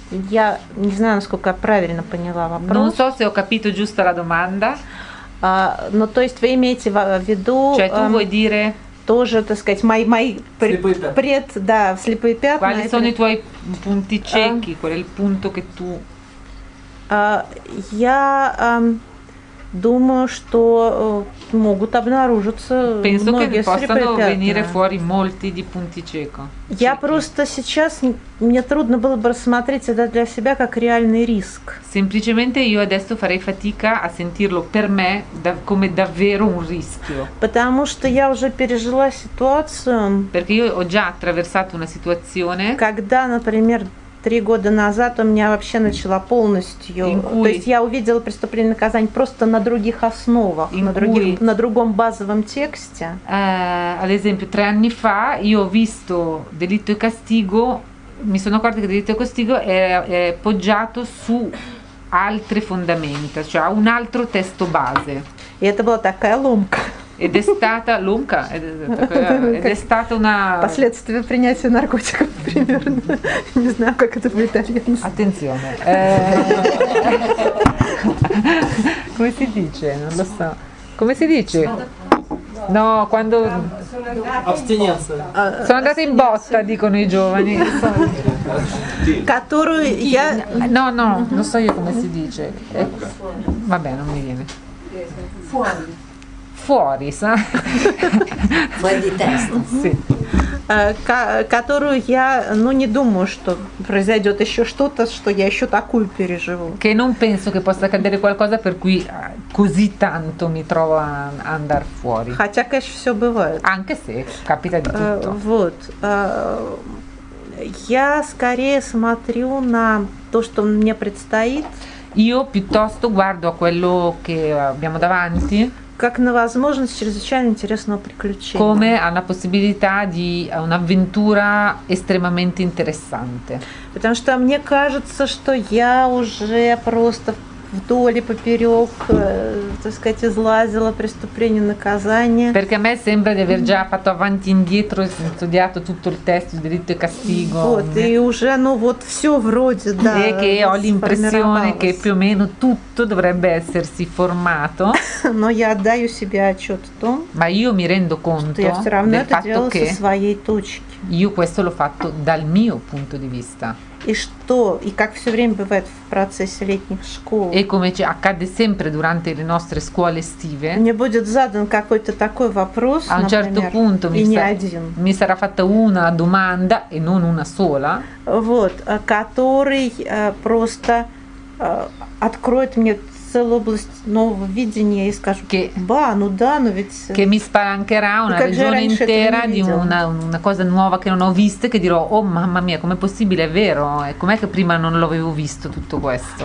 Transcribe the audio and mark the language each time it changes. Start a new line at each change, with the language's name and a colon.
Russian: Я не знаю, насколько я правильно поняла вопрос.
Italian: Non so se ho capito giusto la domanda.
Russian: Ну, то есть вы имеете в виду...
Italian: Cioè, tu vuoi dire...
Russian: Тоже, так сказать, мои слепые пятна.
Italian: Quali sono i tuoi punti ciechi? Qual è il punto che tu...
Russian: Я думаю, что могут обнаружиться
Italian: Penso
Russian: многие слепые пятна.
Italian: Penso che possano venire fuori molti di punti cieco.
Russian: Я просто сейчас, мне трудно было бы рассмотреть это для себя как реальный риск.
Italian: Semplicemente io adesso farei fatica a sentirlo per me come davvero un rischio.
Russian: Потому что я уже пережила ситуацию.
Italian: Perché io ho già attraversato una situazione.
Russian: Когда, например, 3 года назад у меня вообще начала полностью, то есть я увидела преступление и наказание просто на других основах, на другом базовом тексте.
Italian: Ad esempio, 3 anni fa io ho visto delitto e castigo, mi sono accorta che delitto e castigo è poggiato su altre fondamenta, cioè ha un altro testo base.
Russian: И это была такая ломка.
Italian: Ed è stata lunga, ed è stata una...
Russian: Последствия принятия наркотиков, примерно. Не знаю, как это будет итальянски.
Italian: Attenzione. Come si dice? Non lo so. Come si dice? No, quando... Astinenza. Sono andata in botta, dicono i giovani. No, no, non so io come si dice. Vabbè, non mi viene. Fuori, sa? Fuori di testa. Sì.
Russian: Которую я, ну, не думаю, что произойдет еще что-то, что я еще такую переживу.
Italian: Che non penso che possa accadere qualcosa per cui così tanto mi trovo ad andar fuori.
Russian: Хотя, конечно, все бывает.
Italian: Anche se capita di tutto.
Russian: Вот. Я скорее смотрю на то, что мне предстоит.
Italian: Io piuttosto guardo a quello che abbiamo davanti.
Russian: Как на возможность чрезвычайно интересного приключения.
Italian: Come a una possibilità di un'avventura estremamente interessante.
Russian: Потому что мне кажется, что я уже просто вдоль и поперек, так сказать, излазила преступление, наказание.
Italian: Perché a me sembra di aver già fatto avanti e indietro, studiato tutto il testo, delitto e castigo.
Russian: Вот, и уже, ну вот, все вроде, да.
Italian: E che ho l'impressione che più o meno tutto dovrebbe essersi formato.
Russian: Но я отдаю себе отчет в том,
Italian: ma io mi rendo conto del fatto che io questo l'ho fatto dal mio punto di vista.
Russian: И что, и как все время бывает в процессе летних школ.
Italian: E come accade sempre durante le nostre scuole estive.
Russian: Мне будет задан какой-то такой вопрос,
Italian: a un certo punto mi sarà fatta una domanda e non una sola.
Russian: Вот, который просто откроет мне целую область нового видения и скажет, che, ба, ну да, ну ведь...
Italian: Che mi spalancherà una regione intera di una cosa nuova che non ho visto e che dirò, oh mamma mia, com'è possibile, è vero? E com'è che prima non l'avevo visto tutto questo?